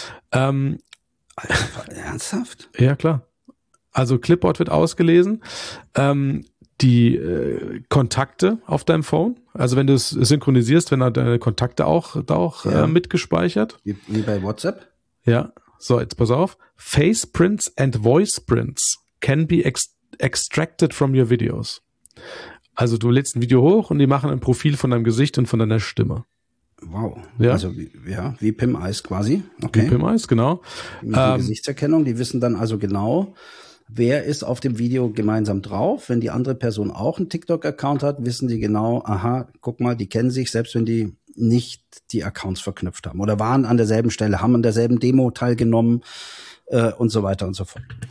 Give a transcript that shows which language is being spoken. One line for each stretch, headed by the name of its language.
German: Ernsthaft? Ja, klar. Also Clipboard wird ausgelesen, die Kontakte auf deinem Phone, also wenn du es synchronisierst, wenn da deine Kontakte auch mitgespeichert. Wie bei WhatsApp? Ja, so jetzt pass auf.
English: Face prints and voice prints can be extracted from your videos.
German: Also du lädst ein Video hoch und die machen ein Profil von deinem Gesicht und von deiner Stimme. Wow. Ja. Also wie PIM-Eyes quasi. Okay. Wie PIM-Eyes, genau. Die Gesichtserkennung, die wissen dann also genau, wer ist auf dem Video gemeinsam drauf. Wenn die andere Person auch einen TikTok-Account hat, wissen die genau, aha, guck mal, die kennen sich, selbst wenn die nicht die Accounts verknüpft haben oder waren an derselben Stelle, haben an derselben Demo teilgenommen und so weiter und so fort.